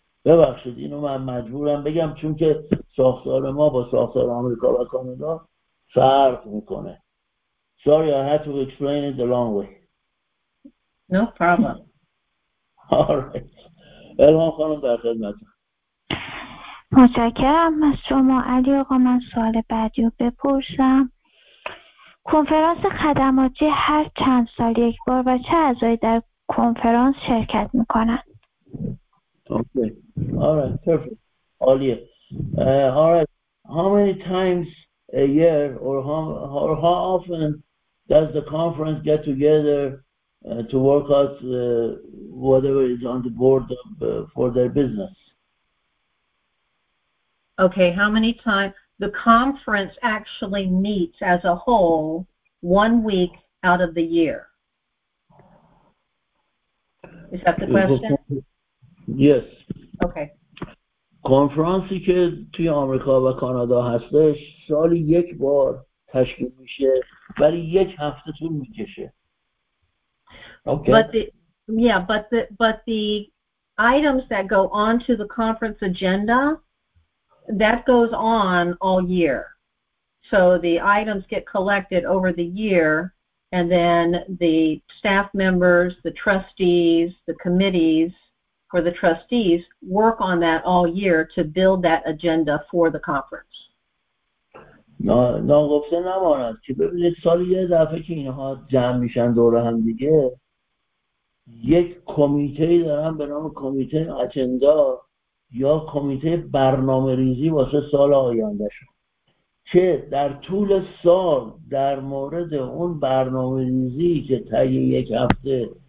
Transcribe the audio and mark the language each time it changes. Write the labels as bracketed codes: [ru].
[fa] ببخشید اینو من مجبورم بگم، چون که ساختار ما با ساختار آمریکا و کانادا فرق میکنه. [en] Sorry, I had to explain it the long way. No problem. All right. [fa] الهام خانم در خدمت. متشکرم از شما. علی آقا من سوال بعدی رو بپرسم. کنفرانس خدماتی هر چند سال یک بار و چه اعضایی در کنفرانس شرکت میکنن؟ [en] Okay. All right. Perfect. [fa] عالیه. [en] All right. How many times a year or how often does the conference get together to work out whatever is on the board for their business? Okay, how many times? The conference actually meets as a whole 1 week out of the year. Is that the question? Yes. Okay. [fa] کنفرانسی که توی آمریکا و کانادا هستش سالی یک بار تشکیل میشه، ولی یک هفته طول میکشه. [en] Okay. But the items that go on to the conference agenda, that goes on all year. So the items get collected over the year, and then the staff members, the trustees, the committees for the trustees work on that all year to build that agenda for the conference. No, no, [fa] گفته نماند که ببینید سالی یه دفعه که اینها جمع میشن دور هم دیگه، یک کمیته دارن به نام کمیته اجندا یا کمیته برنامه ریزی واسه سال آینده شون، که در طول سال در مورد اون برنامه ریزی که تایی یک هفته